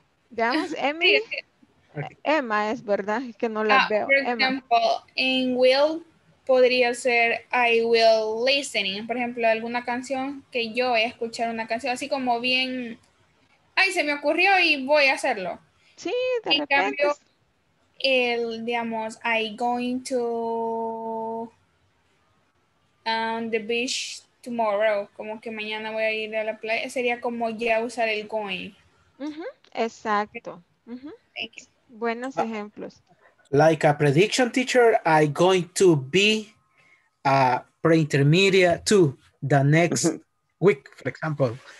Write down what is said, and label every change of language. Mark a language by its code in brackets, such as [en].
[es] Veamos, Emmy. Emma, es verdad que no la veo. Por ejemplo, en will podría ser [en] I will listening. [es] Por ejemplo, alguna canción que yo voy a escuchar una canción así como bien, ay, se me ocurrió y voy a hacerlo. Sí, de repente. En cambio, el, digamos, [en] I going to the beach tomorrow. [es] Como que mañana voy a ir a la playa. Sería como ya usar el going. Exacto. Uh-huh. Buenos ejemplos. [en] Like a prediction, teacher, I going to be a pre-intermediate to the next week, for example.